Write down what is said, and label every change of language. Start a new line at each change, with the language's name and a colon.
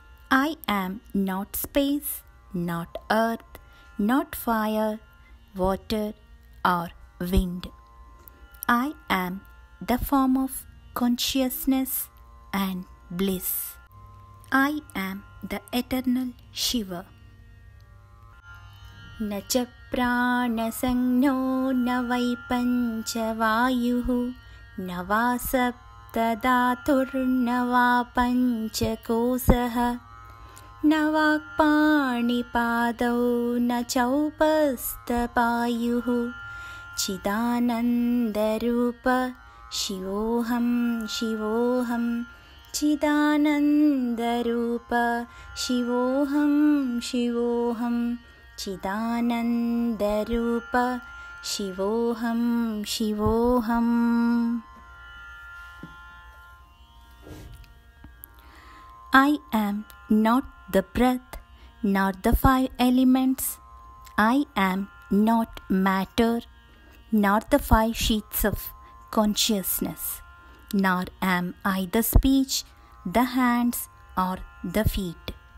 English: I am not space, not earth, not fire, water, or wind. I am the form of consciousness and bliss. I am the eternal Shiva.
Sanskrit: Na cha prana sangno na vai pancha vayuhu na va sapta dhatur na va pancha kosaha na vak pani padau na chaupasta payuhu chidananda rupa shivoham shivoham chidananda rupa shivoham shivoham chidananda rupa shivoham shivoham.
English: I am not the breath, nor the five elements. I am not matter, nor the five sheets of consciousness. Nor am I the speech, the hands, or the feet.